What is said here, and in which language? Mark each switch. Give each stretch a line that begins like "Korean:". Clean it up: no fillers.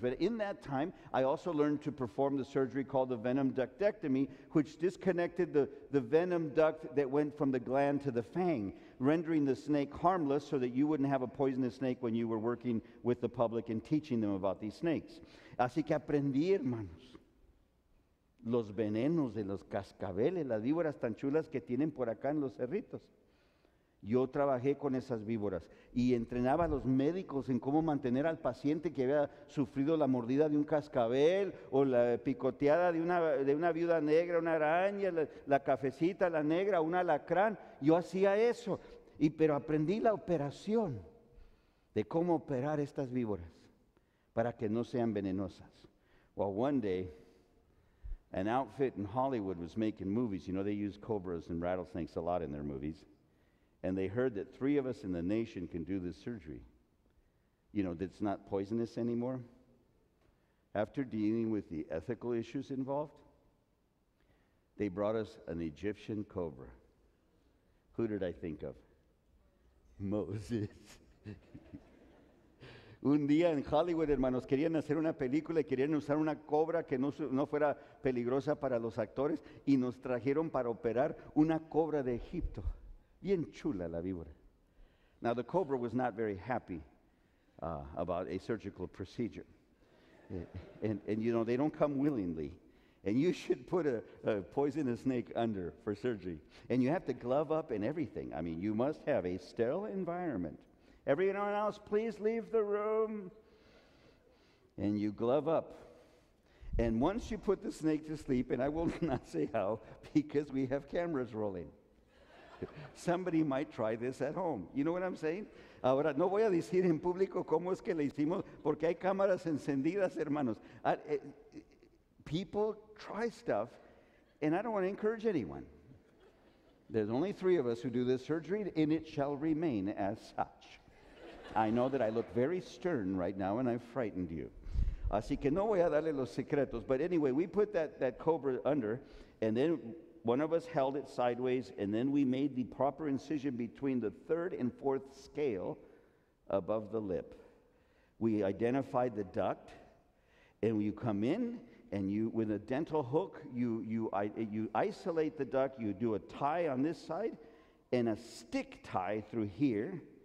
English: But in that time, I also learned to perform the surgery called the venom ductectomy, which disconnected the venom duct that went from the gland to the fang, rendering the snake harmless so that you wouldn't have a poisonous snake when you were working with the public and teaching them about these snakes.
Spanish: Así que aprendí, hermanos, los venenos de los cascabeles, las víboras tan chulas que tienen por acá en los cerritos. Yo trabajé con esas víboras y entrenaba a los médicos en cómo mantener al paciente que había sufrido la mordida de un cascabel o la picoteada de una viuda negra, una araña, la cafecita, la negra, un alacrán. Yo hacía eso, pero aprendí la operación de cómo operar estas víboras para que no sean venenosas.
English: Well, one day, an outfit in Hollywood was making movies. You know, they use cobras and rattlesnakes a lot in their movies. And they heard that three of us in the nation can do this surgery. You know, that's not poisonous anymore. After dealing with the ethical issues involved, they brought us an Egyptian cobra who Who did I think of? Moses.
Spanish: Un día en Hollywood, hermanos, querían hacer una película y querían usar una cobra que no fuera peligrosa para los actores y nos trajeron para operar una cobra de Egipto. Bien chula la víbora.
English: Now, the cobra was not very happy about a surgical procedure. And you know, they don't come willingly. And you should put a poisonous snake under for surgery. And you have to glove up and everything. I mean, you must have a sterile environment. Everyone else, please leave the room. And you glove up. And once you put the snake to sleep, and I will not say how, because we have cameras rolling. Somebody might try this at home. You know what I'm saying?
Spanish: Ahora, no voy a decir en público cómo es que le hicimos, porque hay cámaras encendidas, hermanos.
English: People try stuff, and I don't want to encourage anyone. There's only three of us who do this surgery, and it shall remain as such. I know that I look very stern right now, and I've frightened you.
Spanish: Así que no voy a darle los secretos.
English: But anyway, we put that cobra under, and then one of us held it sideways, and then we made the proper incision between the third and fourth scale above the lip. We identified the duct, and you come in, and you, with a dental hook, you isolate the duct, you do a tie on this side, and a stick tie through here.